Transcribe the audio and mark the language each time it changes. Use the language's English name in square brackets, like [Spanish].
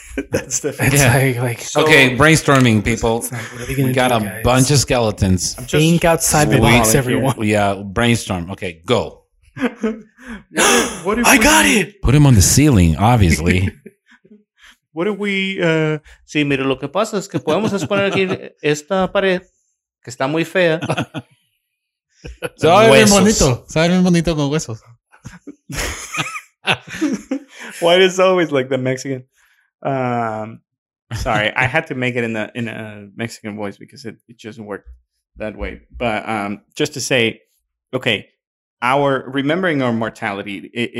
[English] That's the thing. Yeah. Like, so, okay, brainstorming, people. We got a bunch of skeletons. Think outside the box, everyone. Yeah, brainstorm. Okay, go. I got it. Put him on the ceiling, obviously. What if we see? [Spanish] Mira lo que pasa es que podemos exponer aquí esta pared que está muy fea. Sabe bien bonito con huesos. [English] Why is always like the Mexican? Sorry, I had to make it in a Mexican voice because it just worked that way. But just to say, okay, remembering our mortality.